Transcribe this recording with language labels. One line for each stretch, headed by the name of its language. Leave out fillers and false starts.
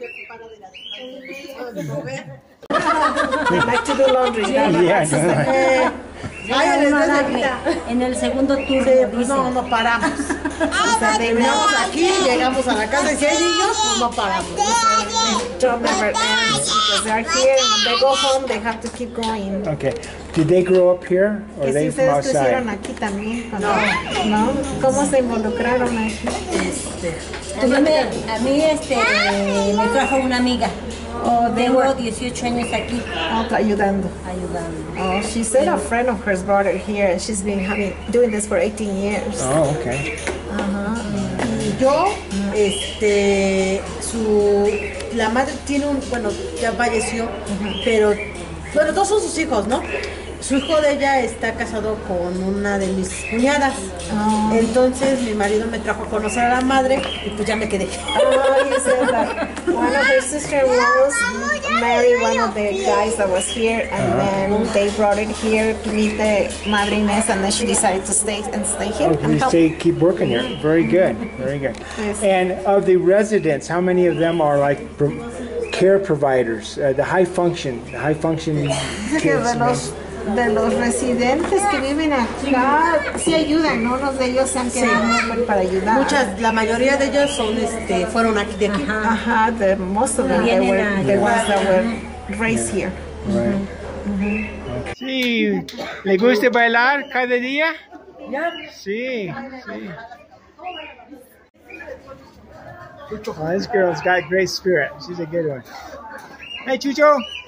Spanish: y para adelante.
English: Back to the laundry.
Spanish: Ay, en el segundo turno sí, pues no paramos. O sea, terminamos aquí, llegamos a la casa y si hay niños, pues no paramos.
English: Don't ever end. Because they're here, when they go home, they have to keep going. Okay. Did they grow up here or they from outside?
Spanish: Que si ustedes crecieron aquí también. No. ¿Cómo se involucraron aquí? A mí me trajo una amiga. Oh, tengo 18 años aquí. Ayudando.
English: Oh, she said a friend of hers brought her here and she's been doing this for 18 years. Oh, okay. Uh-huh.
Spanish: Yo, la madre tiene ya falleció, pero todos son sus hijos, ¿no? Su hijo de ella está casado con una de mis cuñadas. Entonces mi marido me trajo a conocer a la madre y pues ya me quedé.
English: One of her sisters was married one of the guys that was here and then they brought it here to meet the madre Inés and then she decided to stay here. Oh, you stay, keep working here. Very good, very good. Yes. And of the residents, how many of them are like care providers, the high function kids?
Spanish: De los residentes que viven acá, sí ayudan, ¿no? Unos de ellos se han quedado para ayudar. Muchas, la mayoría de ellos fueron aquí de aquí.
English: Ajá, the most of them, they were raised here.
Spanish: Right. Mm-hmm. Okay. Sí, ¿le gusta bailar cada día? Sí.
English: Oh, this girl's got great spirit. She's a good one. Hey, Chucho.